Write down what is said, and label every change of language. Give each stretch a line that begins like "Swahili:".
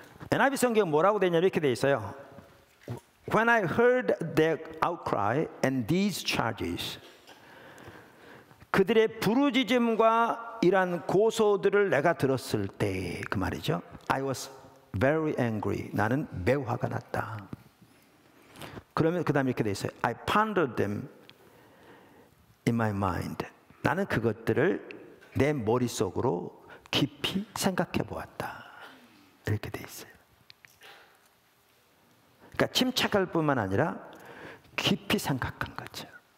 Korean: NIV 성경 뭐라고 되냐면 이렇게 돼 있어요.
English: When I heard their outcry and these charges,
Korean: 그들의 부르짖음과 이러한 고소들을 내가 들었을 때, 그 말이죠.
English: I was very angry.
Korean: 나는 매우 화가 났다. 그러면 그 다음에 이렇게 돼 있어요.
English: I pondered them in my mind.
Korean: 나는 그것들을 내 머릿속으로 깊이 생각해 보았다. 이렇게 돼 있어요. 그러니까 침착할 뿐만 아니라 깊이 생각한 거죠.